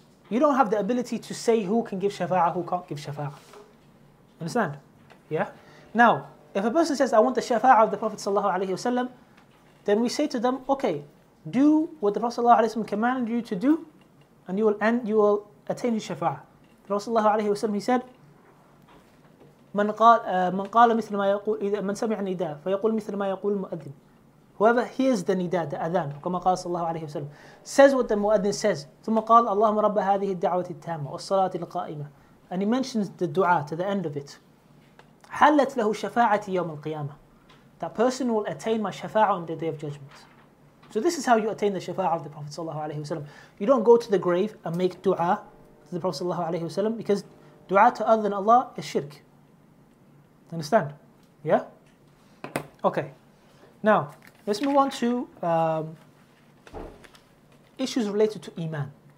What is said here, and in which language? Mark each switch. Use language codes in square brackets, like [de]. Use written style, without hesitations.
[en] You don't have the ability to say who can give shafa'ah, who can't give shafa'ah. Understand? Yeah? Now, if a person says, I want the shafa'ah of the Prophet sallallahu alayhi wa sallam, then we say to them, okay, do what the Prophet sallallahu alayhi wa sallam commanded you to do, and you will attain his shafa'ah. The Prophet sallallahu alayhi wa sallam, he said, [ar] من قال مثل ما يقول إذا من سمع النداء فيقول مثل ما يقول المؤذن. [en] Whoever hears the nida, the adhan, [ar] كما قال صلى الله عليه وسلم, [en] says what the muadhin says. [ar] ثم قال اللهم رب هذه الدعوة التامة والصلاة القائمة. [en] And he mentions the dua to the end of it. [ar] حلت له شفاعتي يوم القيامة. [en] That person will attain my shafa'ah on the day of judgment. So this is how you attain the shafa'ah of the Prophet sallallahu alaihi wasallam. You don't go to the grave and make du'a to the Prophet sallallahu alaihi wasallam, because du'a to other than Allah is shirk. Understand? Yeah? Okay. Now, let's move on to issues related to iman.